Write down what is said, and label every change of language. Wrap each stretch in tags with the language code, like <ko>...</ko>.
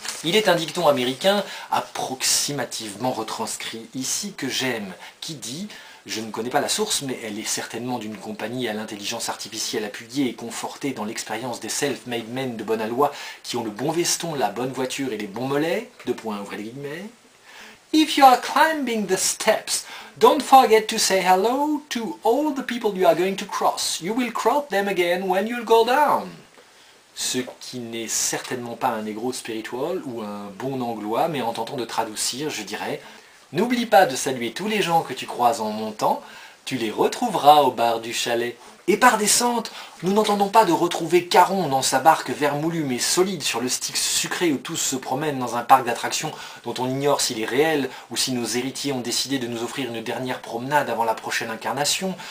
<fr>Il est un dicton américain approximativement retranscrit ici que j'aime, qui dit... Je ne connais pas la source, mais elle est certainement d'une compagnie à l'intelligence artificielle appuyée et confortée dans l'expérience des self-made men de bonne alloi qui ont le bon veston, la bonne voiture et les bons mollets. Deux points, ouvrez les guillemets.</fr> <en>If you are climbing the steps, don't forget to say hello to all the people you are going to cross. You will cross them again when you'll go down.</en> <fr>Ce qui n'est certainement pas un negro spiritual ou un bon anglois, mais en tentant de traduire, je dirais... N'oublie pas de saluer tous les gens que tu croises en montant, tu les retrouveras au bar du chalet. Et par descente, nous n'entendons pas de retrouver Caron dans sa barque vermoulue mais solide sur le Styx sucré où tous se promènent dans un parc d'attractions dont on ignore s'il est réel ou si nos héritiers ont décidé de nous offrir une dernière promenade avant la prochaine incarnation.</fr>